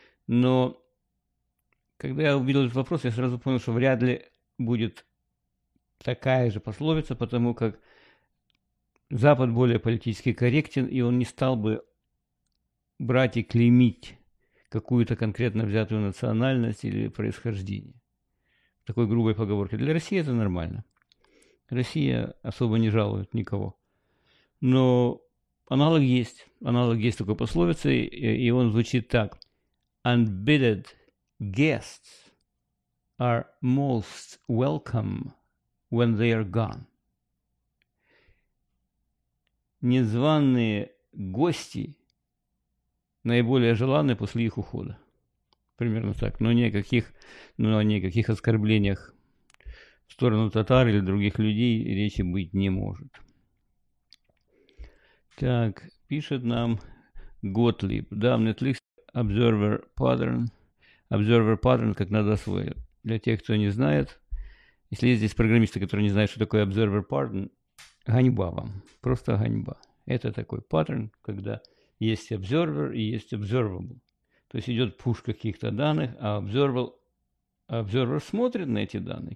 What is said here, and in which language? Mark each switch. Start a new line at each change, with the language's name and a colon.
Russian: Но когда я увидел этот вопрос, я сразу понял, что вряд ли будет такая же пословица, потому как Запад более политически корректен, и он не стал бы брать и клеймить какую-то конкретно взятую национальность или происхождение. Такой грубой поговоркой. Для России это нормально. Россия особо не жалует никого. Но аналог есть. Аналог есть такой пословицы, и он звучит так.
English: Unbidden guests are most welcome when they are gone.
Russian: Незваные гости наиболее желанные после их ухода. Примерно так. Но о никаких оскорблениях в сторону татар или других людей речи быть не может. Так, пишет нам Готлиб. Да, в Netflix Observer Pattern. Observer Pattern как надо освоить. Для тех, кто не знает, если есть здесь программисты, которые не знают, что такое Observer Pattern, ганьба вам. Просто ганьба. Это такой паттерн, когда есть observer и есть observable. То есть идет пуш каких-то данных, а observer смотрит на эти данные.